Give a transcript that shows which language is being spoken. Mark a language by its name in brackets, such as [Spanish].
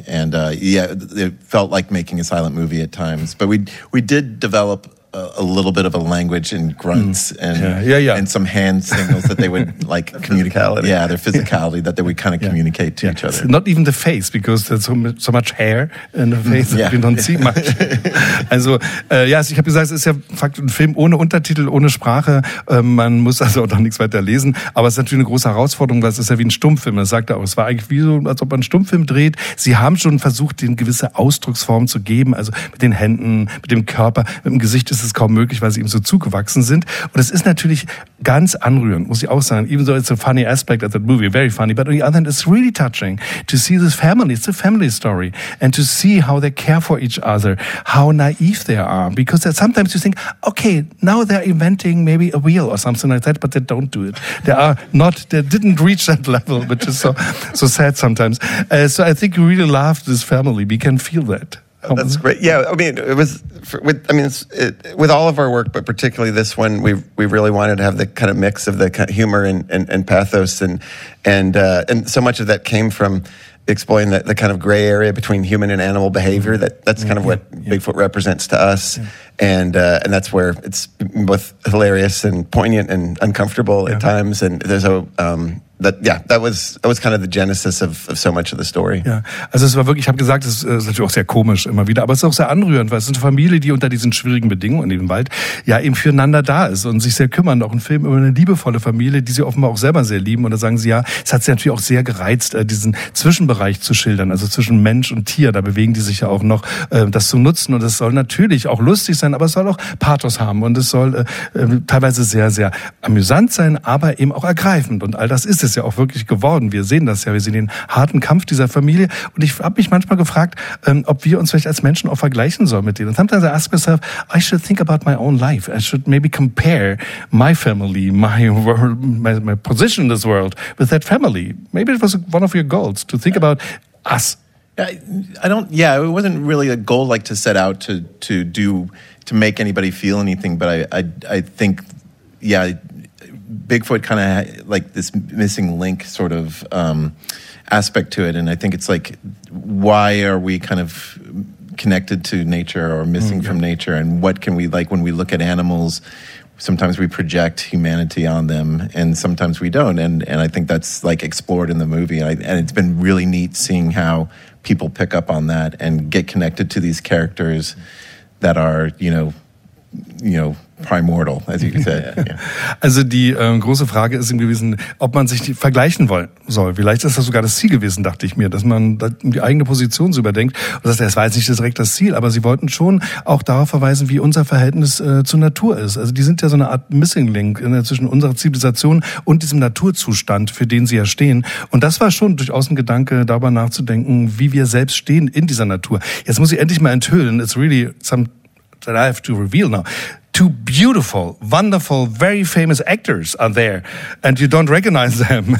[English] And it felt like making a silent movie at times, but we did develop a little bit of a language and grunts and some hand signals that they would like communicate. Yeah, their physicality that they would kind of communicate to each other. Not even the face, because there's so much hair in the face that we don't see much. [German] Also, ich habe gesagt, es ist ja ein Film ohne Untertitel, ohne Sprache. Man muss also auch noch nichts weiter lesen. Aber es ist natürlich eine große Herausforderung, weil es ist ja wie ein Stummfilm. Das sagt er auch. Es war eigentlich wie so, als ob man einen Stummfilm dreht. Sie haben schon versucht, den gewisse Ausdrucksform zu geben, also mit den Händen, mit dem Körper, mit dem Gesicht, ist es kaum möglich, weil sie ihm so zugewachsen sind. Und es ist natürlich ganz anrührend, muss ich auch sagen. [English] Even though it's a funny aspect of that movie, very funny, but on the other hand, it's really touching to see this family. It's a family story. And to see how they care for each other, how naive they are. Because sometimes you think, okay, now they're inventing maybe a wheel or something like that, but they don't do it. They didn't reach that level, which is so sad sometimes. So I think you really love this family. We can feel that. That's great. Yeah, I mean, with all of our work, but particularly this one, we really wanted to have the kind of mix of the humor and pathos, and so much of that came from explain the kind of gray area between human and animal behavior. That's kind of what Bigfoot represents to us. Yeah. And that's where it's both hilarious and poignant and uncomfortable at times. And there's a... That was kind of the genesis of so much of the story. [German] Ja, also es war wirklich, ich habe gesagt, es ist natürlich auch sehr komisch immer wieder, aber es ist auch sehr anrührend, weil es ist eine Familie, die unter diesen schwierigen Bedingungen in dem Wald ja eben füreinander da ist und sich sehr kümmern. Auch ein Film über eine liebevolle Familie, die sie offenbar auch selber sehr lieben. Und da sagen sie ja, es hat sie natürlich auch sehr gereizt, diesen Zwischenbereich zu schildern, also zwischen Mensch und Tier. Da bewegen die sich ja auch noch, das zu nutzen. Und es soll natürlich auch lustig sein, aber es soll auch Pathos haben. Und es soll teilweise sehr, sehr amüsant sein, aber eben auch ergreifend. Und all das ist es ja auch wirklich geworden. Wir sehen das ja, wir sehen den harten Kampf dieser Familie. Und ich habe mich manchmal gefragt, ob wir uns vielleicht als Menschen auch vergleichen sollen mit denen. [English] Und sometimes I ask myself, I should think about my own life. I should maybe compare my family, my world, my position in this world with that family. Maybe it was one of your goals to think about us. It wasn't really a goal like to set out to make anybody feel anything. But I think Bigfoot kind of like this missing link sort of aspect to it. And I think it's like, why are we kind of connected to nature or missing from nature? And what can we, like when we look at animals, sometimes we project humanity on them and sometimes we don't. And I think that's like explored in the movie. And it's been really neat seeing how people pick up on that and get connected to these characters that are, you know, primordial, as you said. [German] Also die große Frage ist eben gewesen, ob man sich vergleichen wollen soll. Vielleicht ist das sogar das Ziel gewesen, dachte ich mir, dass man die eigene Position so überdenkt. Und das war jetzt nicht direkt das Ziel, aber sie wollten schon auch darauf verweisen, wie unser Verhältnis zur Natur ist. Also die sind ja so eine Art Missing Link zwischen unserer Zivilisation und diesem Naturzustand, für den sie ja stehen. Und das war schon durchaus ein Gedanke, darüber nachzudenken, wie wir selbst stehen in dieser Natur. Jetzt muss ich endlich mal enthüllen, [English] it's really something that I have to reveal now. Two beautiful, wonderful, very famous actors are there, and you don't recognize them.